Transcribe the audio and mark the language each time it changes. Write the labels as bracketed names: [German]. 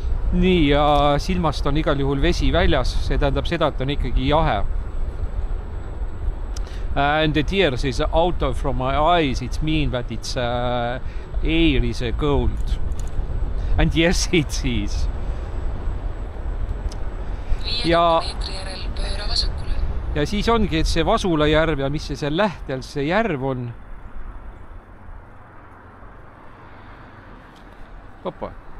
[Estonian] Nii, ja silmast on igal juhul vesi väljas, see tähendab seda, et on ikkagi jahe. [English] And the tears is out of from my eyes, it means that it's air is cold. And yes, it is. [Estonian] Ja siis ongi, et see Vasula järv ja mis see seal lähtel see järv on. Hoppa.